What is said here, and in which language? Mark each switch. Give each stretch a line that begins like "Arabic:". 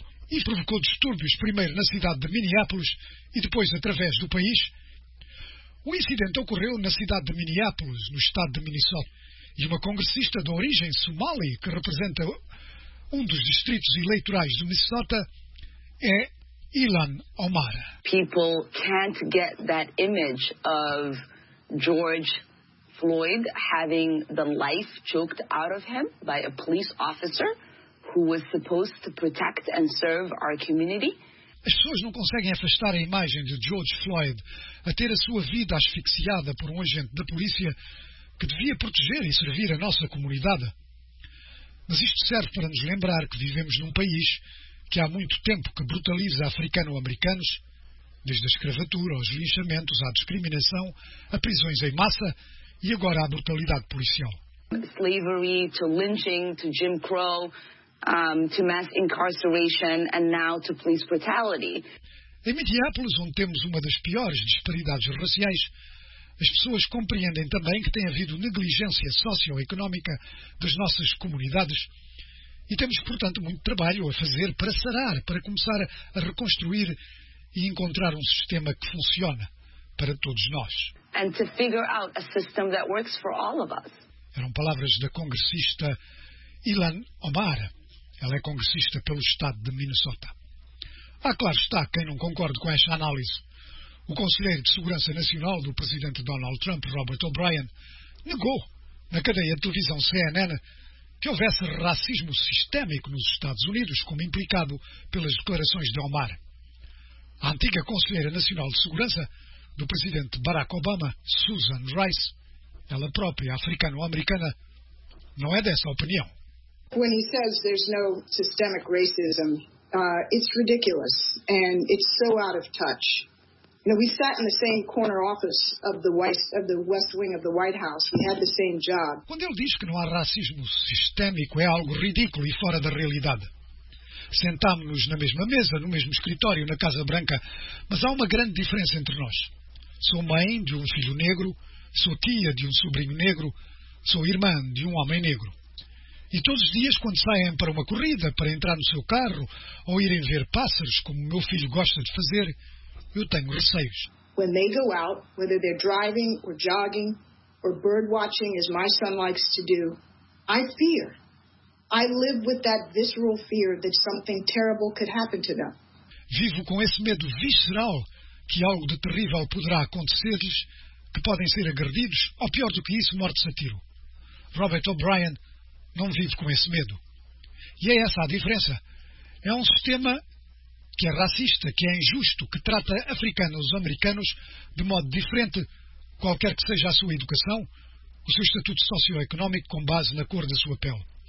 Portuguese: E provocou distúrbios, primeiro na cidade de Minneapolis e depois através do país. O incidente ocorreu na cidade de Minneapolis, no estado de Minnesota, e uma congressista de origem somali, que representa um dos distritos eleitorais de Minnesota, é Ilhan Omar.
English: People can't get that image of George Floyd having the life choked out of him by a police officer who was supposed to protect and serve our community.
Portuguese: As pessoas não conseguem afastar a imagem de George Floyd a ter a sua vida asfixiada por um agente da polícia que devia proteger e servir a nossa comunidade. Mas isto serve para nos lembrar que vivemos num país que há muito tempo que brutaliza africano-americanos, desde a escravatura aos linchamentos, à discriminação, a prisões em massa e agora à brutalidade policial.
English: Slavery, to lynching, to Jim Crow, to mass incarceration and now to police brutality.
Portuguese: Em Minneapolis, onde temos uma das piores disparidades raciais, as pessoas compreendem também que tem havido negligência socioeconómica das nossas comunidades e temos, portanto, muito trabalho a fazer para sarar, para começar a reconstruir e encontrar um sistema que funciona para todos nós.
English: And to figure out a system that works for all of us.
Portuguese: Eram palavras da congressista Ilhan Omar. Ela é congressista pelo estado de Minnesota. Há, claro está, quem não concorde com esta análise. O conselheiro de Segurança Nacional do presidente Donald Trump, Robert O'Brien, negou na cadeia de televisão CNN que houvesse racismo sistémico nos Estados Unidos, como implicado pelas declarações de Omar. A antiga conselheira nacional de segurança do presidente Barack Obama, Susan Rice, ela própria africano-americana, não é dessa opinião.
English: When he says there's no systemic racism, it's ridiculous and it's so out of touch. You know, we sat in the same corner office of the West Wing of the White House. We had the same job.
Portuguese: Quando ele diz que não há racismo sistémico, é algo ridículo e fora da realidade. Sentámo-nos na mesma mesa, no mesmo escritório, na Casa Branca, mas há uma grande diferença entre nós. Sou mãe de um filho negro, sou tia de um sobrinho negro, sou irmã de um homem negro. E todos os dias, quando saem para uma corrida, para entrar no seu carro, ou irem ver pássaros, como o meu filho gosta de fazer, eu tenho receios.
English: When they go out, whether they're driving or jogging or bird watching, as my son likes to do, I fear. I live with that visceral fear that something terrible could happen to them.
Portuguese: Vivo com esse medo visceral que algo de terrível poderá acontecer-lhes, que podem ser agredidos ou, pior do que isso, mortos a tiro. Robert O'Brien não vive com esse medo. E é essa a diferença. É um sistema que é racista, que é injusto, que trata africanos e americanos de modo diferente, qualquer que seja a sua educação, o seu estatuto socioeconómico com base na cor da sua pele.